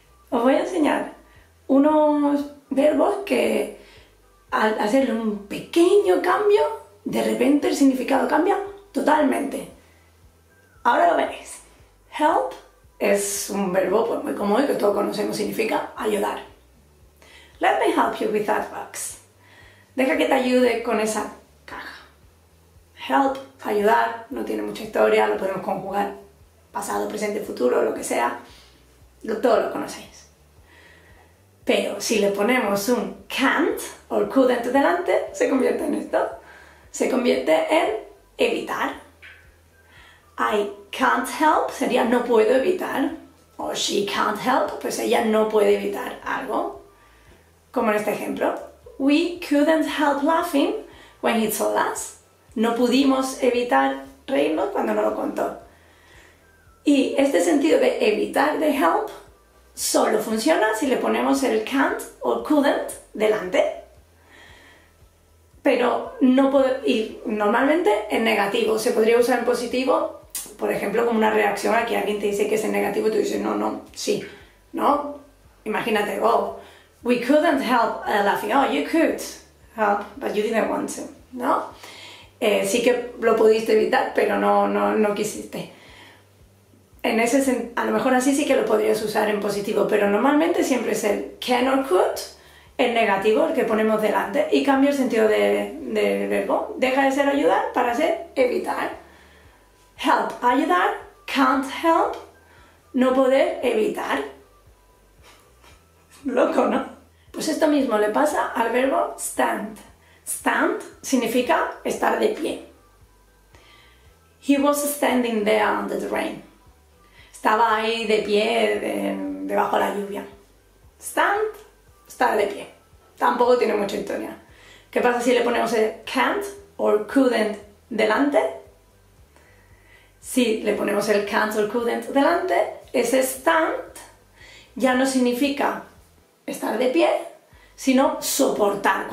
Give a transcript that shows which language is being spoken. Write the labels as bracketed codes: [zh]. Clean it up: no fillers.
[es] Os voy a enseñar unos verbos que al hacerle un pequeño cambio, de repente el significado cambia totalmente. Ahora lo veréis. Help es un verbo pues, muy común y que todos conocemos, significa ayudar. [en] Let me help you with that box. [es] Deja que te ayude con esa caja. Help, ayudar, no tiene mucha historia, lo podemos conjugar pasado, presente, futuro, lo que sea. Todos lo conocéis. Pero si le ponemos un can't or couldn't delante, se convierte en esto. Se convierte en evitar. [en] I can't help [es] sería no puedo evitar. O [en] she can't help, [es] pues ella no puede evitar algo. Como en este ejemplo, [en] we couldn't help laughing when he told us. [es] No pudimos evitar reírnos cuando nos lo contó. Y este sentido de evitar de help solo funciona si le ponemos el can't o couldn't delante. Pero no puede ir normalmente en negativo. Se podría usar en positivo, por ejemplo, como una reacción a que alguien te dice que es en negativo y tú dices, no, sí, ¿no? Imagínate, oh. [en] We couldn't help laughing. Oh, you could help, but you didn't want to, ¿no? [es] Sí que lo pudiste evitar, pero no quisiste. En ese a lo mejor así sí que lo podrías usar en positivo, pero normalmente siempre es el can or could, el negativo, el que ponemos delante, y cambia el sentido del verbo. Deja de ser ayudar para ser evitar. Help, ayudar. Can't help, no poder evitar. Loco, ¿no? Pues esto mismo le pasa al verbo stand. Stand significa estar de pie. [en] He was standing there under the rain. [es] Estaba ahí de pie debajo de la lluvia. Stand, estar de pie. Tampoco tiene mucha historia. ¿Qué pasa si le ponemos el can't or couldn't delante? Si le ponemos el can't or couldn't delante, ese stand ya no significa estar de pie, sino soportar.